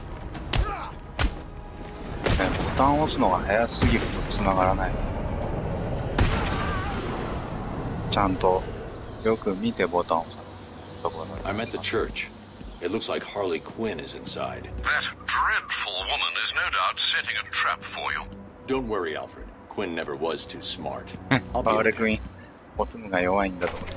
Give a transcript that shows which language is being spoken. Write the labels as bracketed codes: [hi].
[ja] ね、ボタンを押すのが早すぎると繋がらない。ちゃんとよく見てボタンを押 [en] す。I'm at the church. It looks like Harley Quinn is inside. That dreadful woman is no doubt setting a trap for you. Don't worry, Alfred. Quinn never was too smart. [ja] Harley Quinn、ボツムが弱いんだと。